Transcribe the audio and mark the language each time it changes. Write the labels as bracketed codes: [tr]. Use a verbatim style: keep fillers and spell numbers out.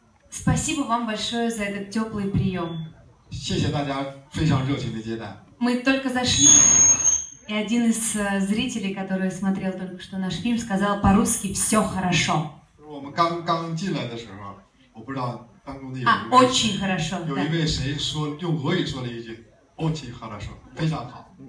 [ru] Спасибо вам большое за этот теплый прием. [zh] 谢谢大家非常热情的接待。 [ru] Мы только зашли, и один из зрителей, который смотрел только что наш фильм, сказал по-русски «все хорошо». [zh] 我们刚刚进来的时候，我不知道当中的有 [ru] 啊 очень хорошо [zh] 有一位谁说用俄语说了一句 [ru] очень хорошо [zh] 非常好。